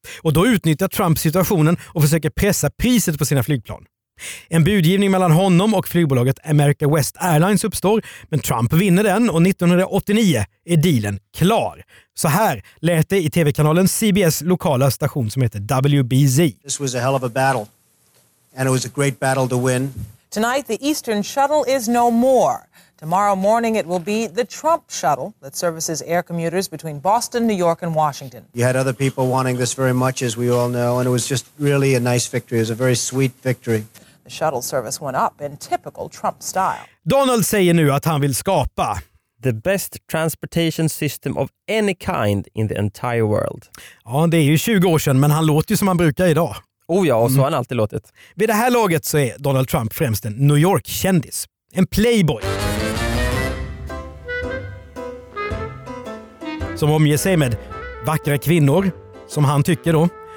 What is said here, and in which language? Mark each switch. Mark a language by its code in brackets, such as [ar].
[sv] Och då utnyttjar Trump situationen och försöker pressa priset på sina flygplan. En budgivning mellan honom och flygbolaget America West Airlines uppstår, men Trump vinner den och 1989 är dealen klar. Så här lät det i TV-kanalen CBS lokala station som heter WBZ. [en] This was a hell of a battle. And it was a great battle to win. Tonight the Eastern shuttle is no more. Tomorrow morning it will be the Trump shuttle that services air commuters between Boston, New York and Washington. You had other people wanting this very much, as we all know, and it was just really a nice victory. It was a very sweet victory. The shuttle service went up in typical Trump style. [sv] Donald säger nu att han vill skapa [en] the best transportation system of any kind in the entire world. [sv] Ja, det är ju 20 år sedan, men han låter ju som han brukar idag. Oh ja, och så har han alltid låtit. Vid det här laget så är Donald Trump främst en New York-kändis. En playboy. Som omger sig med vackra kvinnor, som han tycker då.